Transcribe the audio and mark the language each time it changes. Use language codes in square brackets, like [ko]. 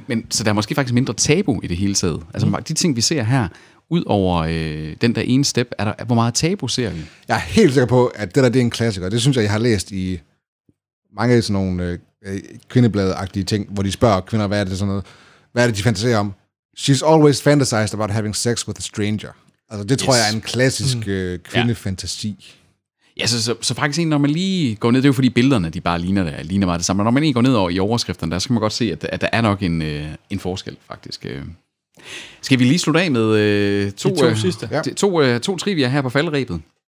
[da] Så der er måske faktisk mindre tabu i det hele taget. Altså de ting, vi ser her, ud over den der ene step, er der, hvor meget tabu ser vi? Jeg er helt sikker på, at det der det er en klassiker. Det synes jeg har læst i... Mange af sådan nogle kvindebladagtige ting, hvor de spørger kvinder, hvad er det sådan noget, hvad er det, de fantaserer om? [en] She's always fantasized about having sex with a stranger. [da] Altså det tror jeg er en klassisk kvindefantasi. Ja, så faktisk når man lige går ned, det er jo fordi billederne, de bare ligner meget det samme. Når man lige går ned over i overskrifterne, der skal man godt se, at der er nok en forskel faktisk. Skal vi lige slutte af med to trivia her på faldrebet?